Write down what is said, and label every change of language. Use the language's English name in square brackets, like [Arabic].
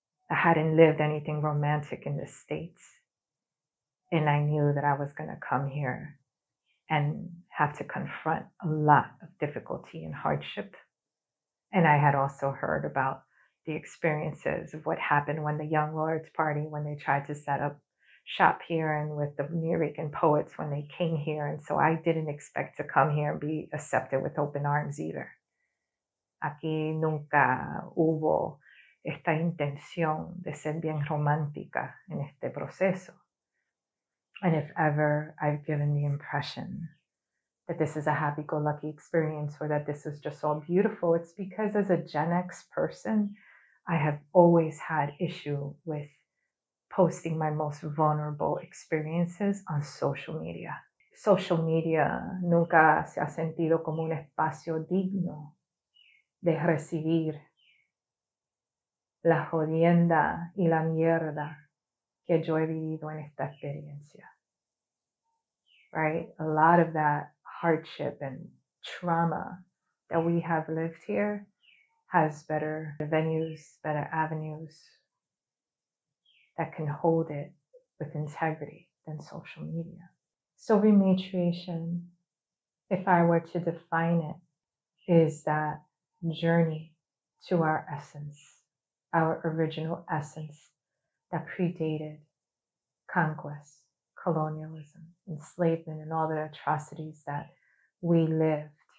[English] I hadn't lived anything romantic in the States. And I knew that I was gonna come here and have to confront a lot of difficulty and hardship. And I had also heard about the experiences of what happened when the Young Lords Party, when they tried to set up shop here and with the Mirican poets when they came here. And so I didn't expect to come here and be accepted with open arms either. [Spanish] Aquí nunca hubo esta intención de ser bien romántica en este proceso. [English] And if ever I've given the impression that this is a happy-go-lucky experience or that this is just all beautiful, it's because as a Gen X person, I have always had issue with posting my most vulnerable experiences on social media. [Spanish] Social media nunca se ha sentido como un espacio digno de recibir la jodienda y la mierda que yo he vivido en esta experiencia, right? [English] A lot of that hardship and trauma that we have lived here has better avenues that can hold it with integrity than social media. So rematriation, if I were to define it, is that journey to our essence, our original essence that predated conquest, colonialism, enslavement, and all the atrocities that we lived.